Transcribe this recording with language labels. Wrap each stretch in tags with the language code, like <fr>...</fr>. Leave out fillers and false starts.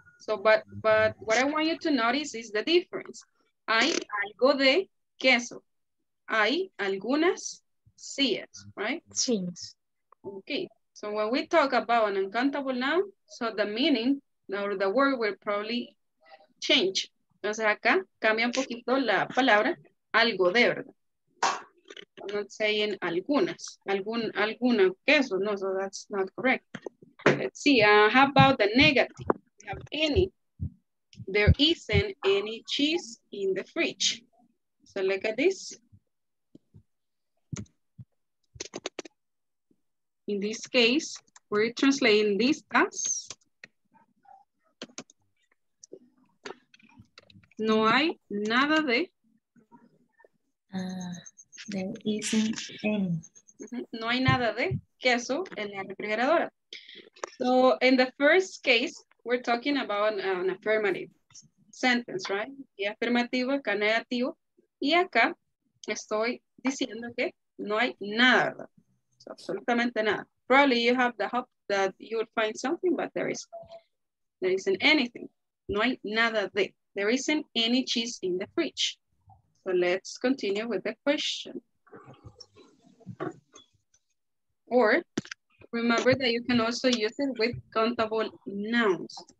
<en>So, but what I want you to notice is the difference.</en> <es>Hay algo de queso. Hay algunas sillas,</es> <en>right?</en> <es>Sillas.</es> <en>Okay, so when we talk about an uncountable noun, so the meaning or the word will probably change.</en> <es>Entonces acá cambia un poquito la palabra algo de, ¿verdad?</es> <en>I'm not saying algunas,</en> <es>alguna queso,</es> <en>no, so that's not correct. Let's see, how about the negative? We have any, there isn't any cheese in the fridge. So look at this. In this case, we're translating this as</en> <es>no hay nada de.</es> <en>There isn't any.</en> <es>No hay nada de queso en la refrigeradora.</es> <en>So in the first case, we're talking about an affirmative sentence, right?</en> <es>Y afirmativo, acá negativo. Y acá estoy diciendo que no hay nada. So absolutamente nada.</es> <en>Probably you have the hope that you would find something, but there isn't anything.</en> <es>No hay nada de.</es> <en>There isn't any cheese in the fridge. So let's continue with the question. Or remember that you can also use it with countable nouns.</en>